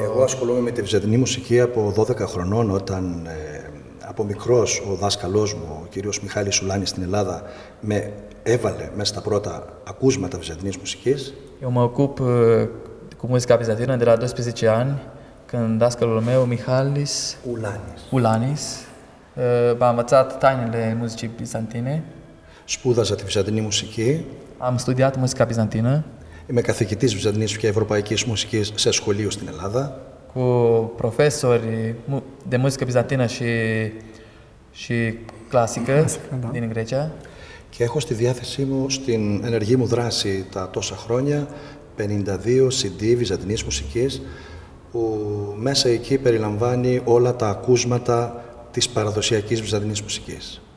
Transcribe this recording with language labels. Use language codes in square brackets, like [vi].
[el] Εγώ ασχολούμαι με τη βυζαντινή μουσική από 12 χρονών, όταν από μικρός ο δάσκαλός μου, ο κύριος Μιχάλης Σουλάνης στην Ελλάδα, με έβαλε μέσα στα πρώτα ακούσματα βυζαντινής μουσικής. [ro] Eu mă ocup cu muzica bizantină de la 12 ani, când dascălul meu, Mihalis Ulanis, m-a învățat tainele muzicii bizantine. [el] Σπούδαζα τη βυζαντινή μουσική. [ro] Am studiat muzica bizantină. [el] Είμαι καθηγητής βυζαντινής και ευρωπαϊκής μουσικής σε σχολείο στην Ελλάδα. [ro] Cu profesori de muzică bizantină și clasică din Grecia. [el] Και έχω στη διάθεσή μου, στην ενεργή μου δράση τα τόσα χρόνια, 52 CD βυζαντινής μουσικής, που μέσα εκεί περιλαμβάνει όλα τα ακούσματα της παραδοσιακής βυζαντινής μουσικής.